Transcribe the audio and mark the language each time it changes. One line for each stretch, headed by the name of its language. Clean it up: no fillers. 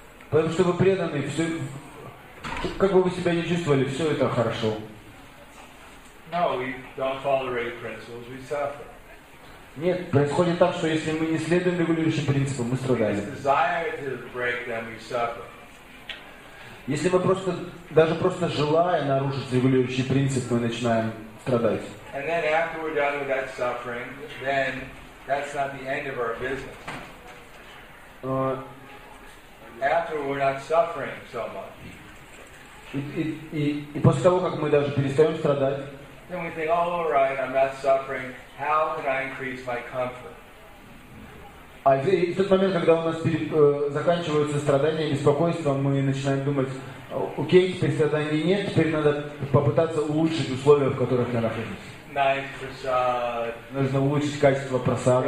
Russian: Потому что вы преданы, все, как бы вы себя ни чувствовали, все это хорошо.
English: No, we don't follow regular principles, we suffer.
Russian: Нет, происходит так, что если мы не следуем регулирующим принципам, мы страдаем.
English: If we desire to break them, we suffer.
Russian: Если мы просто, даже просто желая нарушить регулирующий принцип, мы начинаем страдать.
English: And then after we're done with that suffering, then that's not the end of our business. After we're not suffering so much.
Russian: И после того, как мы даже перестаем страдать,
English: then we think, oh, all right, I'm not suffering. How can I increase my comfort?
Russian: А в тот момент, когда у нас заканчиваются страдания и беспокойства, мы начинаем думать, окей, теперь страданий нет, теперь надо попытаться улучшить условия, в которых я нахожусь.
English: Nice prasad.
Russian: Нужно улучшить качество просады.